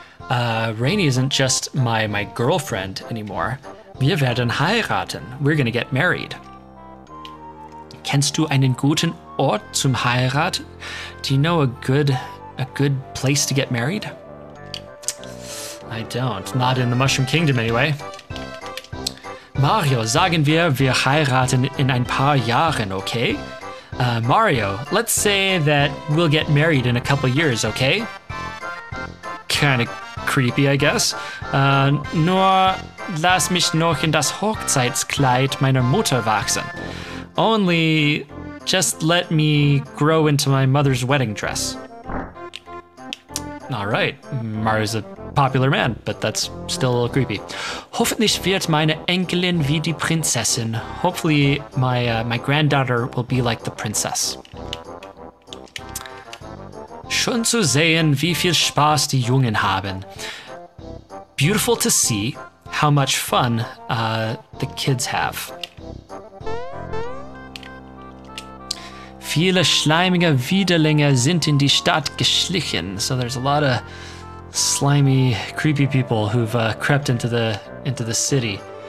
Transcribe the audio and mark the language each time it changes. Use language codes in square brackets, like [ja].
[en] Rainy isn't just my girlfriend anymore. [de] Wir werden heiraten. [en] We're gonna get married. [de] Kennst du einen guten Ort zum Heirat? [en] Do you know a good place to get married? I don't. Not in the Mushroom Kingdom, anyway. [de] Mario, sagen wir heiraten in ein paar Jahren, okay? [en] Mario, let's say that we'll get married in a couple years, okay? Kind of creepy, I guess. [de] Nur lass mich noch in das Hochzeitskleid meiner Mutter wachsen. [en] Only, just let me grow into my mother's wedding dress. Alright, Mario's a popular man, but that's still a little creepy. [de] Hoffentlich wird meine Enkelin wie die Prinzessin. [en] Hopefully my granddaughter will be like the princess. [de] Schön zu sehen, wie viel Spaß die Jungen haben. [en] Beautiful to see how much fun the kids have. [de] Viele schleimige Widerlinge sind in die Stadt geschlichen. [en] So there's a lot of slimy, creepy people who've crept into the city.